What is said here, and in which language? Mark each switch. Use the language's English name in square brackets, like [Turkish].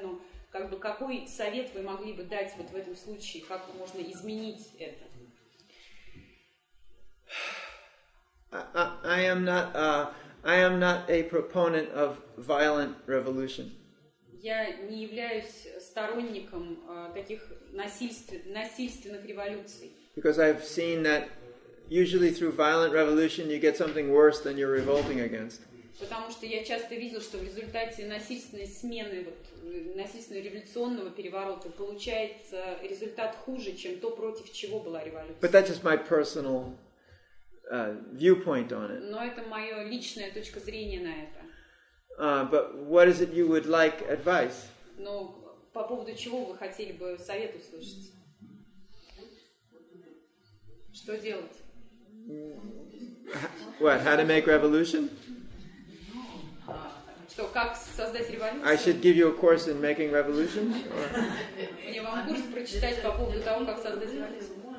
[Russian] Но как бы какой совет вы могли бы дать вот в этом случае, как можно изменить это? [English] I am not a proponent of violent revolution. [Russian] Я не являюсь сторонником таких насильственных революций. [English] Because I've seen that usually through violent revolution you get something worse than you're revolting against. [Russian] Потому что я часто видел, что в результате насильственной смены насильственного революционного переворота получается результат хуже, чем то, против чего была революция. [English] But that's just my personal viewpoint on it. [Russian] Но это моё личное точка зрения на это. [English] But what is it you would like advice? [Russian] Ну, по поводу чего вы хотели бы совет услышать? Что делать? [English] What? How to make revolution? [Russian] Что, как создать революцию? [English] I should give you a course in making revolution? [Russian] Мне вам курс прочитать по поводу того, как создать революцию?